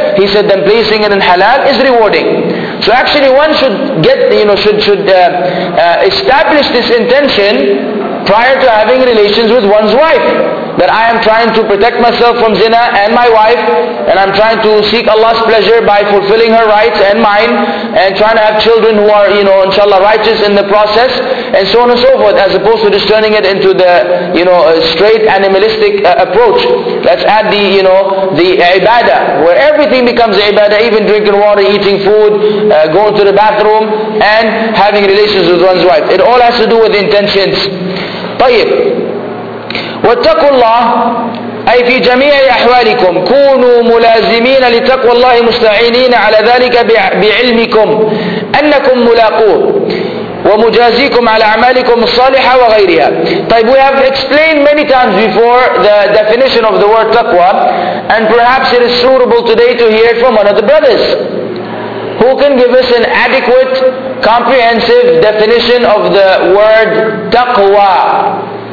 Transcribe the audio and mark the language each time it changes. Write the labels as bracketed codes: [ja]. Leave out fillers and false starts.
[en] He said, then placing it in halal is rewarding. So actually one should get, you know, should establish this intention prior to having relations with one's wife, that I am trying to protect myself from zina and my wife, and I'm trying to seek Allah's pleasure by fulfilling her rights and mine, and trying to have children who are, you know, inshallah, righteous in the process, and so on and so forth, as opposed to just turning it into the, you know, straight animalistic approach. Let's add the, you know, the ibadah, where everything becomes ibadah, even drinking water, eating food, going to the bathroom, and having relations with one's wife. It all has to do with intentions. [ar] طيب. واتقوا الله أي في جميع أحوالكم كونوا ملازمين لتقوى الله مستعينين على ذلك بعلمكم أنكم ملاقوه ومجازيكم على أعمالكم الصالحة وغيرها. طيب, [en] we have explained many times before the definition of the word taqwa, and perhaps it is suitable today to hear it from one of the brothers who can give us an adequate comprehensive definition of the word taqwa.